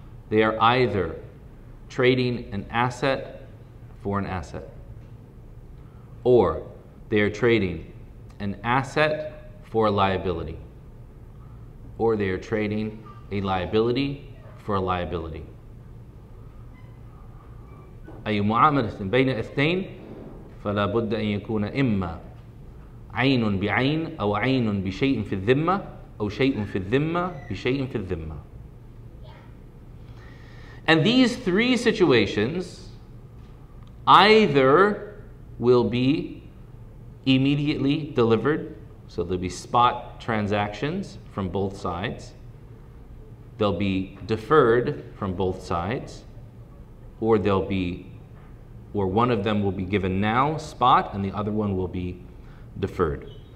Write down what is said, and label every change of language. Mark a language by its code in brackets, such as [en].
[en] They are either trading an asset for an asset, or they are trading an asset for a liability, or they are trading a liability for a liability. [ar] أي معاملة بين اثنين فلا بد أن يكون إما عين بعين أو عين بشيء في الذمة أو شيء في الذمة بشيء في الذمة. [en] And these three situations either will be immediately delivered, so there'll be spot transactions from both sides, they'll be deferred from both sides, or they'll be, or one of them will be given now, spot, and the other one will be deferred.